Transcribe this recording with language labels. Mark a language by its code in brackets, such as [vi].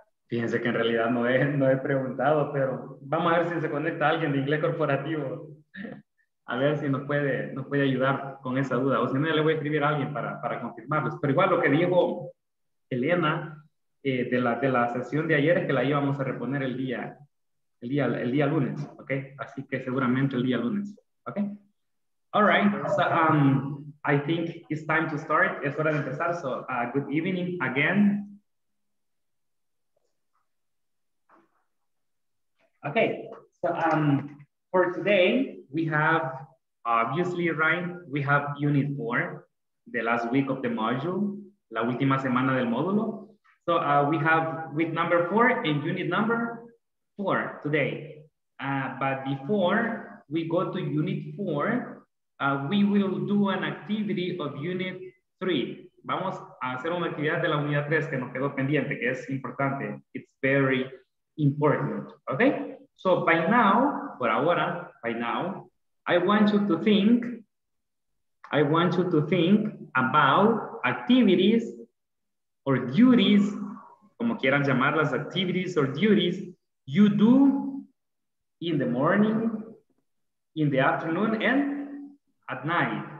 [es] Fíjense que en realidad no he preguntado, pero vamos a ver si se conecta alguien de inglés corporativo. A ver si nos puede ayudar con esa duda. O si no, ya le voy a escribir a alguien para confirmarlos. Pero igual lo que dijo Elena de la sesión de ayer es que la íbamos a reponer el día lunes, ¿ok? Así que seguramente el día lunes, ¿ok? [en] All right, so I think it's time to start. [es] Es hora de empezar, [en] so good evening again. Okay, so for today, we have, obviously, right, we have unit 4. the last week of the module, [es] la última semana del módulo. [en] So we have week number 4 and unit number 4 today. But before we go to unit 4, we will do an activity of unit 3. [es] Vamos a hacer una actividad de la unidad 3 que nos quedó pendiente, que es importante. [en] It's very important, okay? So by now, [es] por ahora, [en] by now, I want you to think about activities or duties, [es] como quieran llamarlas, [en] activities or duties you do in the morning, in the afternoon, and at night.